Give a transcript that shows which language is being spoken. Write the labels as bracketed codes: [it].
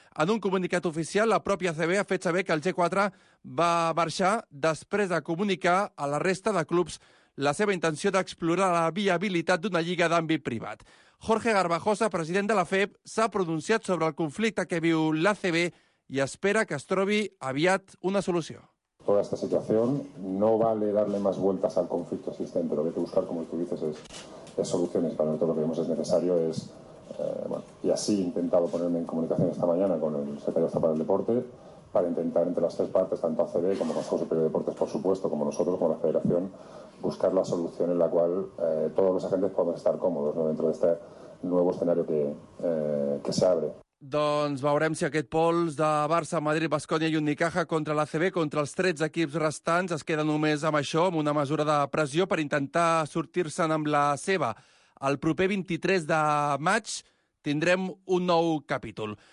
[ca] En un comunicat oficial, la pròpia CB ha fet saber que el G4 va marxar després de comunicar a la resta de clubs la seva intenció d'explorar la viabilitat d'una lliga d'àmbit privat. Jorge Garbajosa, president de la FEB, s'ha pronunciat sobre el conflicte que viu l'ACB i espera que es trobi aviat una solució. [es] Toda esta situación no vale darle más vueltas al conflicto existente. Lo que hay que buscar, como tú dices, es soluciones. Para nosotros lo que vemos es necesario es... y así he intentado ponerme en comunicación esta mañana con el secretario de Estado para el Deporte para intentar entre las tres partes, tanto ACB como Consejo Superior de Deportes, por supuesto, como nosotros, como la Federación, buscar la solución en la cual todos los agentes podemos estar cómodos, ¿no?, dentro de este nuevo escenario que se abre. [ca] Doncs veurem si aquest pols de Barça, Madrid, Baskonia i Unicaja contra l'ACB, contra els 13 equips restants, es queda només amb això, amb una mesura de pressió per intentar sortir-se'n amb la seva. El proper 23 de maig tindrem un nou capítol.